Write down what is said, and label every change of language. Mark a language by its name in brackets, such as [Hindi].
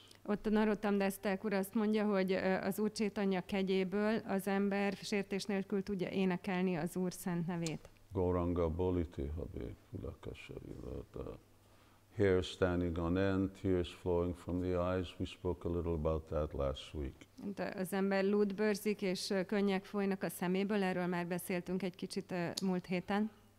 [Hungarian] Ott a Narottam Das Thakur azt mondja, hogy az Úr Chaitanya kegyéből az ember sértés nélkül tudja énekelni az Úr szent nevét. [Bangla] Gauranga Bolite Habe Pulaka Sharir. [English] Hair standing on end, tears flowing from the eyes. We spoke a little about that last week. [Hungarian] Az ember lúdbőrzik és könnyek folynak a szeméből. Erről már beszéltünk egy kicsit múlt héten.